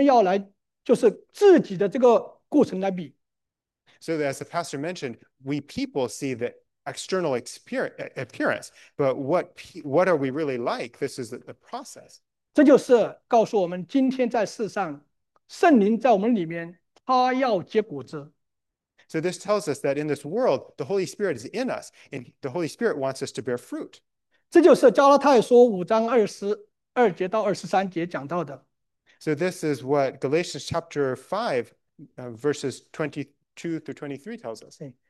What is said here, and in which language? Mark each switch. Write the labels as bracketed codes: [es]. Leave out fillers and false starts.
[zh] 我们看的是外面，但是我们就是牧师已再三强调，这个人以前是怎样的，圣灵如何改变他的生命，我们要来就是自己的这个。过程来比, [en] So as the pastor mentioned, we people see the external appearance, but what are we really like? This is the process. [zh] 这就是告诉我们，今天在世上，圣灵在我们里面，他要结果子。 [en] So this tells us that in this world, the Holy Spirit is in us, and the Holy Spirit wants us to bear fruit. [zh] 这就是加拉太书5章22节到23节讲到的。 [en] So this is what Galatians chapter 5 verses 22 through 23 tells us.